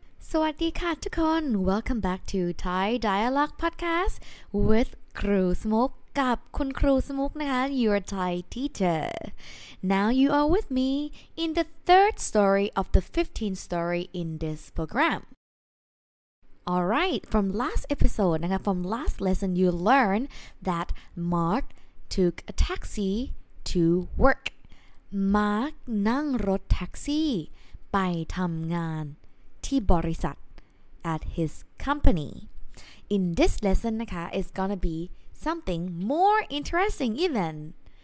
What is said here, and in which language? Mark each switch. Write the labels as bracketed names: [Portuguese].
[Thai] สวัสดีค่ะทุกคน [English] Welcome back to Thai Dialogue Podcast with Crew Smoke [Thai] กับคุณครูสมุกนะคะ [English] Your Thai Teacher. Now you are with me in the third story of the 15th story in this program. Alright, from last episode, from last lesson, you learned that Mark took a taxi to work. [Thai] Mark นั่งรถแท็กซี่ไปทำงานที่บริษัท [English] at his company. In this lesson, it's gonna be something more interesting even.